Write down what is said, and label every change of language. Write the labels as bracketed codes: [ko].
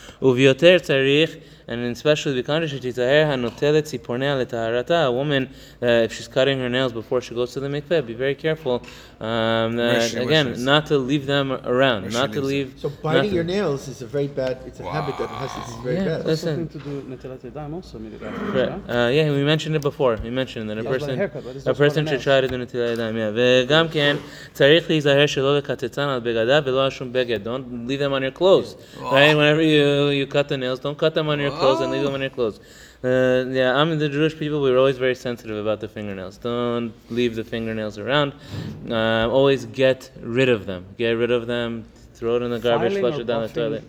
[he] Uvyoter tzarich, [en] and especially the condition, a woman, if she's cutting her nails before she goes to the mikveh, be very careful. Not to leave them around. So biting your nails is a very bad, habit that has to be very bad. Listen. Something to do with netelat yadayim also. We mentioned it before. We mentioned that a person should try to do netelat yadayim. [he] וגם כן, צריך להיזהר שלא לקטטן על בגדיו ולא על שום בגד. [en] Don't leave them on your clothes. Yeah. Right? Whenever you cut the nails, don't cut them on your clothes and leave them on your clothes. I'm the Jewish people, we're always very sensitive about the fingernails. Don't leave the fingernails around. Always get rid of them. Get rid of them, throw it in the garbage, flush it down the toilet.